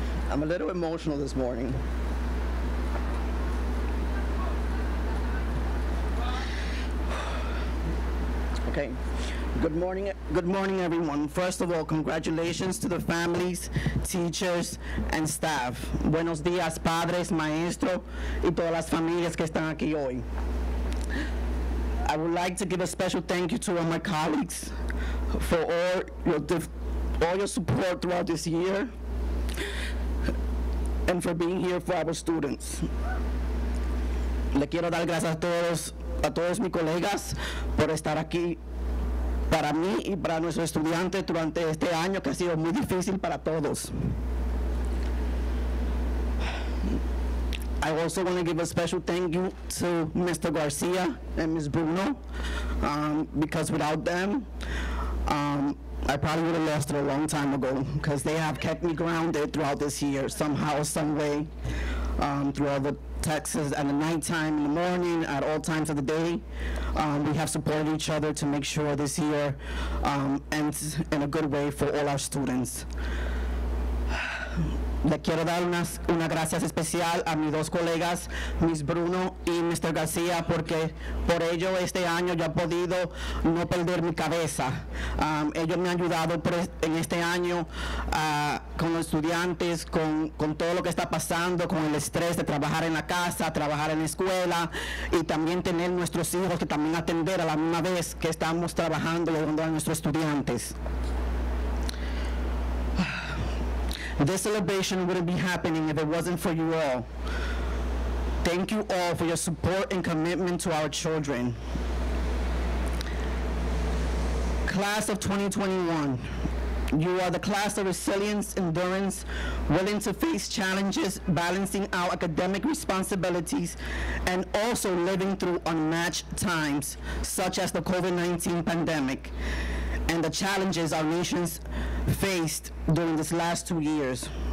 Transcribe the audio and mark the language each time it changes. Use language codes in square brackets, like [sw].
[en] I'm a little emotional this morning. Okay, good morning everyone. First of all, congratulations to the families, teachers, and staff. [es] Buenos días, padres, maestros, y todas las familias que están aquí hoy. [en] I would like to give a special thank you to all my colleagues for all your support throughout this year, and for being here for our students. [es] Le quiero dar gracias a todos mis colegas por estar aquí para mí y para nuestros estudiantes durante este año que ha sido muy difícil para todos. [en] I also want to give a special thank you to Mr. Garcia and Ms. Bruno, because without them, I probably would have lost it a long time ago, because they have kept me grounded throughout this year, somehow, some way, through all the texts at the nighttime, in the morning, at all times of the day. We have supported each other to make sure this year ends in a good way for all our students. [es] Le quiero dar una gracias especial a mis dos colegas, Ms. Bruno y Mr. García, porque por ello este año yo he podido no perder mi cabeza. Ellos me han ayudado en este año con los estudiantes, con todo lo que está pasando, con el estrés de trabajar en la casa, trabajar en la escuela, y también tener nuestros hijos que también atender a la misma vez que estamos trabajando y ayudando a nuestros estudiantes. [en] This celebration wouldn't be happening if it wasn't for you all. Thank you all for your support and commitment to our children. Class of 2021, you are the class of resilience, endurance, willing to face challenges, balancing out academic responsibilities, and also living through unmatched times, such as the COVID-19 pandemic, and the challenges our nations faced during this last 2 years.